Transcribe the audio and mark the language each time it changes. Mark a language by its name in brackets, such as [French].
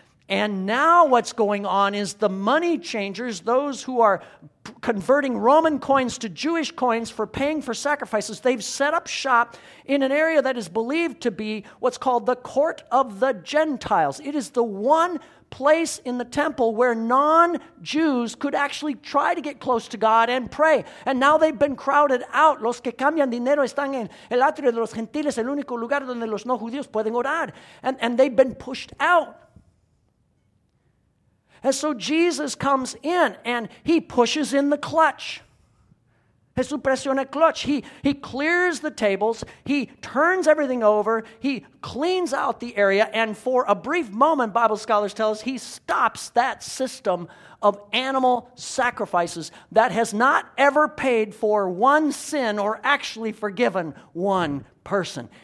[English] And now what's going on is the money changers, those who are converting Roman coins to Jewish coins for paying for sacrifices, they've set up shop in an area that is believed to be what's called the court of the Gentiles. It is the one place in the temple where non-Jews could actually try to get close to God and pray. And now they've been crowded out. [Spanish] Los que cambian dinero están en el atrio de los gentiles, el único lugar donde los no judíos pueden orar. [English] And they've been pushed out. And so Jesus comes in and he pushes in the clutch. [Spanish] Jesús presiona el clutch. [English] He clears the tables. He turns everything over. He cleans out the area. And for a brief moment, Bible scholars tell us, he stops that system of animal sacrifices that has not ever paid for one sin or actually forgiven one person.